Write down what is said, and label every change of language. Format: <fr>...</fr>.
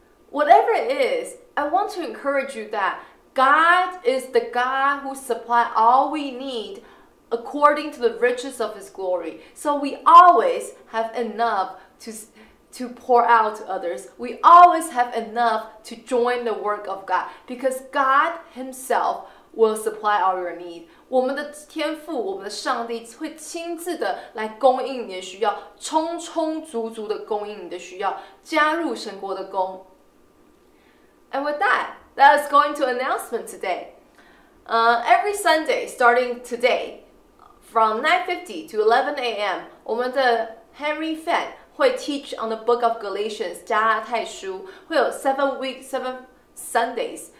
<en>Whatever it is, I want to encourage you that God is the God who supplies all we need according to the riches of his glory. So we always have enough to pour out to others. We always have enough to join the work of God because God himself will supply all your need.</en> <zh>我们的天父，我们的上帝会亲自的来供应你的需要，充充足足的供应你的需要，加入神国的工。</zh> <en>And with that, that is going to announcement today. Every Sunday, starting today, from 9:50 to 11 a.m.,</en> <zh>我们的</zh> <en>Henry Fan</en> <zh>会</zh> <en>teach on the book of Galatians,</en> <zh>加拉太书，会有</zh> <en>7 weeks, 7 Sundays.</en>